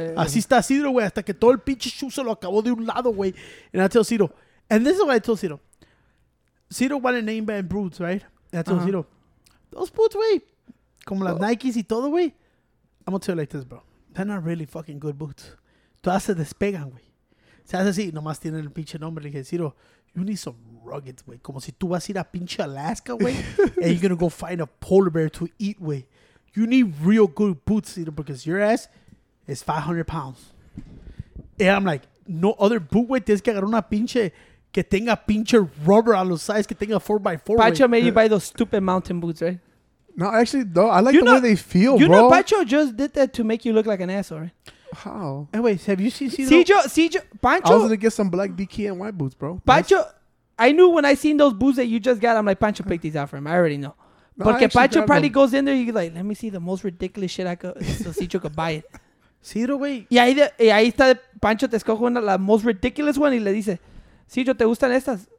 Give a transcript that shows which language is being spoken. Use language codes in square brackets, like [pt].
[es] Así está Cedro, güey, hasta que todo el pinche shoe se lo acabó de un lado, güey. [en] And I tell Cedro, and this is what I told Cedro. Cedro wanted name brand boots, right? And I told Cedro, those boots, güey, [es] como las Nikes y todo, [en] güey. I'm going to tell you like this, bro. They're not really fucking good boots. [es] Todas se despegan, [en] güey. [es] Se hace así, nomás tiene el pinche nombre. Le dije, Cedro, [en] you need some rugged, [es] güey. Como si tú vas a ir a pinche Alaska, güey. [en] And you're going to go find a polar bear to eat, güey. You need real good boots, Cedro, because your ass is 500 pounds. And I'm like, no other boot, [es] güey. Tienes que agarrar una pinche, que tenga pinche rubber a los sides, que tenga 4x4, [en] Pacho made you buy those stupid mountain boots, right? No, actually, though, no, I like you the know, way they feel, you bro. You know, Pacho just did that to make you look like an asshole, right? How? Anyways, have you seen Cedro? Cedro, Pancho. I was going to get some black DKNY boots, bro. Pancho, I knew when I seen those boots that you just got, I'm like, Pancho, pick these out for him. I already know. But no, Pancho probably them. Goes in there, he's like, let me see the most ridiculous shit I could, so Cedro could buy it. Cedro, wait. [es] Y ahí está Pancho, te escojo una, la [en] most ridiculous one, [es] y le dice, Cedro, ¿te gustan estas?